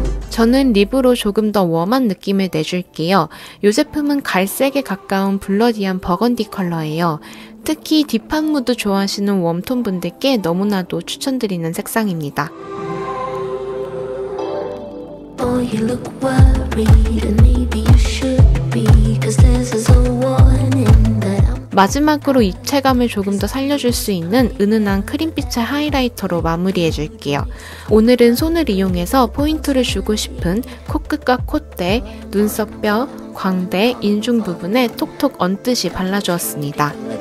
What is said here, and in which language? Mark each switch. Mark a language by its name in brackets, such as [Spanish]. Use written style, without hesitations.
[Korean] 저는 립으로 조금 더 웜한 느낌을 내줄게요. 요 제품은 갈색에 가까운 블러디한 버건디 컬러예요. 특히 딥한 무드 좋아하시는 웜톤 분들께 너무나도 추천드리는 색상입니다. [English] Boy, you look worried, and maybe you should be, 'cause this is a warning. [Korean] 마지막으로 입체감을 조금 더 살려줄 수 있는 은은한 크림빛의 하이라이터로 마무리해줄게요. 오늘은 손을 이용해서 포인트를 주고 싶은 코끝과 콧대, 눈썹뼈, 광대, 인중 부분에 톡톡 언뜻이 발라주었습니다.